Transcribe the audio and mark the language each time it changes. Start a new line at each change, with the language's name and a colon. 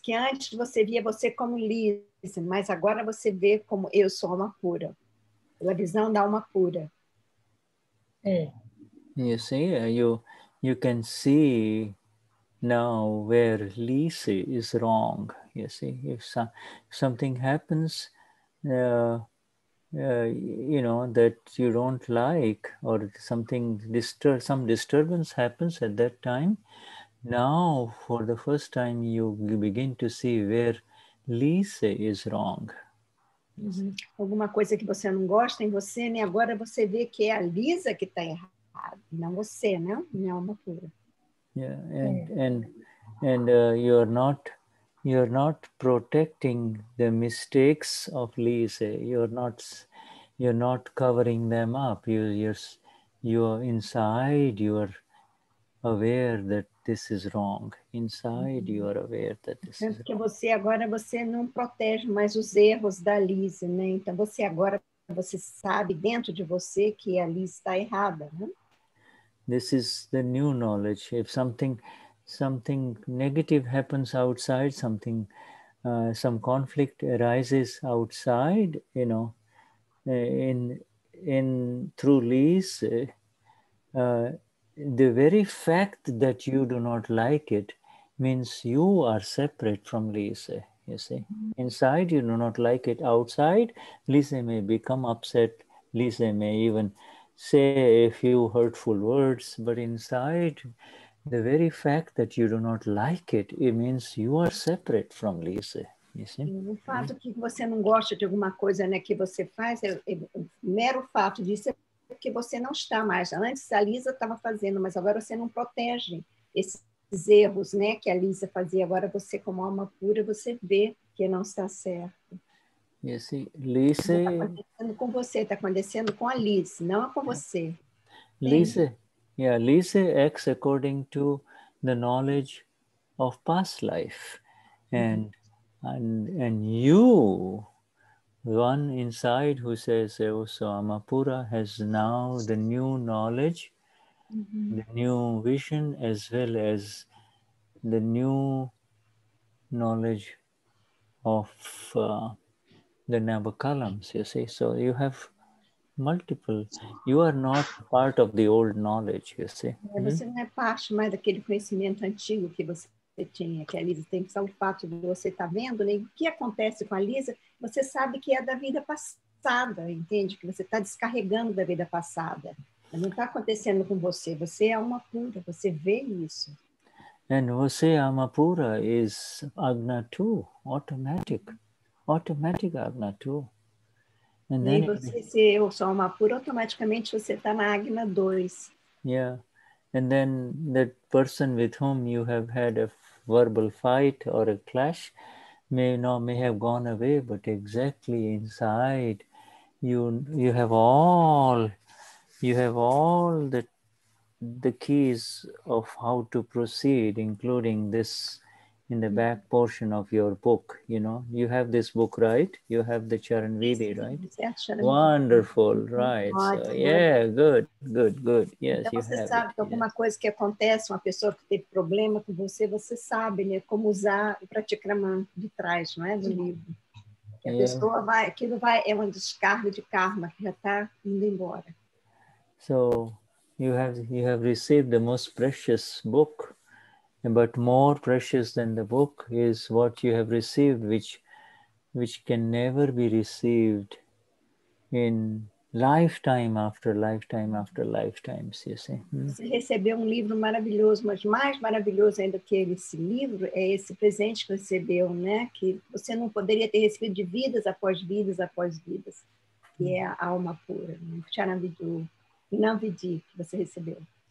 Portuguese: Que antes você via você como Lise, mas agora você vê como eu sou alma pura. A visão da alma pura.
English: You see, you can see now where Lise is wrong. You see, if something happens, you know, that you don't like, or something some disturbance happens at that time, now for the first time you begin to see where Lise is wrong. Uhum.
Portuguese: Alguma coisa que você não gosta em você, né? Agora você vê que é a Lisa que está errada, não você, né? Minha alma pura.
English: Yeah, and you're not protecting the mistakes of Lisa. You're not covering them up. You're inside. You're aware that this is wrong. Inside, you are aware that this is wrong.
Portuguese: Porque você agora, você não protege mais os erros da Lise, né? Então, você agora, você sabe dentro de você que a Lise está errada, né?
English: This is the new knowledge. If something negative happens outside, something, some conflict arises outside, you know, in through Lise, the very fact that you do not like it means you are separate from Lise, you see. Inside, you do not like it. Outside, Lise may become upset. Lise may even say a few hurtful words. But inside, the very fact that you do not like it, it means you are separate from Lise.
Portuguese: O fato que você não gosta de alguma coisa, né, que você faz, mero fato disso é porque você não está mais. Antes a Lisa estava fazendo, mas agora você não protege esses erros, né, que a Lisa fazia. Agora você, como alma pura, você vê que não está certo. Lisa... Está acontecendo com você, está acontecendo com a Lisa, não é com você.
English: Lisa, yeah, Lisa acts according to the knowledge of past life. And you, the one inside who says,
Portuguese: "Eu sou alma pura,"
English: has now the new knowledge, the new vision, as well as the new knowledge of the Navakalams, you see. So you have multiple. You are not part of the old knowledge, you see.
Portuguese: Você não é parte mais daquele conhecimento antigo que você... Você tinha, que a Lisa tem que saber o fato de você estar vendo, né? O que acontece com a Lisa, você sabe que é da vida passada, entende? Que você está descarregando da vida passada. Não está acontecendo com você, você é alma pura, você vê isso.
English: And
Portuguese: você, alma pura,
English: is Agna too, automatic Agna too. And then...
Portuguese: E você, se eu sou alma pura, automaticamente você está na Agna 2.
English: Yeah. And then that person with whom you have had a verbal fight or a clash may have gone away, but exactly inside you have all the keys of how to proceed, including this in the back portion of your book. You know, you have this book, right? You have the Charan Vidhi, right? Yes, yes, Charan Vidhi. Wonderful, right? So, yeah, good. Yes,
Portuguese: então,
English: you
Portuguese: você
English: have
Portuguese: sabe
English: it.
Portuguese: Que alguma coisa que acontece, uma pessoa que teve problema com você, você sabe, né, como usar o pratikrama de trás, não é, do livro? Que a pessoa vai, aquilo vai, é uma descarga de karma, que já está indo embora.
English: So, you have received the most precious book. But more precious than the book is what you have received, which can never be received in lifetime after lifetime after lifetimes, you see.
Portuguese: Você recebeu um livro maravilhoso, mas mais maravilhoso ainda que esse livro é esse presente que você recebeu, né? Que você não poderia ter recebido de vidas após vidas após vidas. que é a alma pura, o charambidu, Gnan Vidhi, que você recebeu.